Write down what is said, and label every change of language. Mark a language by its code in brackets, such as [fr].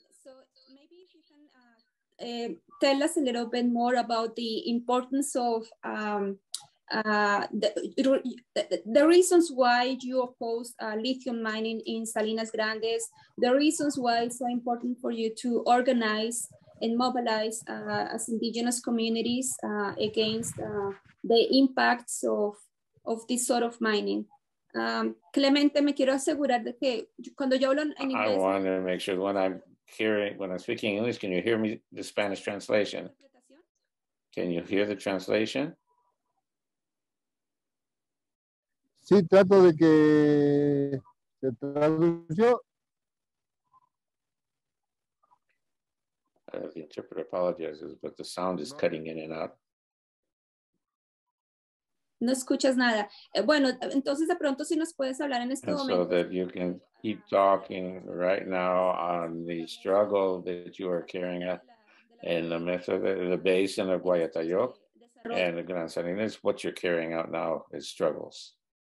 [en] So maybe if you can tell us a little bit more about the importance of the reasons why you oppose lithium mining in Salinas Grandes, the reasons why it's so important for you to organize and mobilize as indigenous communities against the impacts of this sort of mining. [es] Clemente, me quiero asegurar de que cuando yo hablo en inglés. [en] I want to make sure when I'm speaking English, can you hear me, the Spanish translation? Can you hear the translation? [es] Sí, trato de que se traduzca. [en] The interpreter apologizes, but the sound is cutting in and out. [es] No escuchas nada. Bueno, entonces de pronto si nos puedes hablar en este [en] and [es] momento. [en] So that you can keep talking right now on the struggle that you are carrying out in the method of the basin of Guayatayoc and the Gran Salinas, what you're carrying out now is struggles.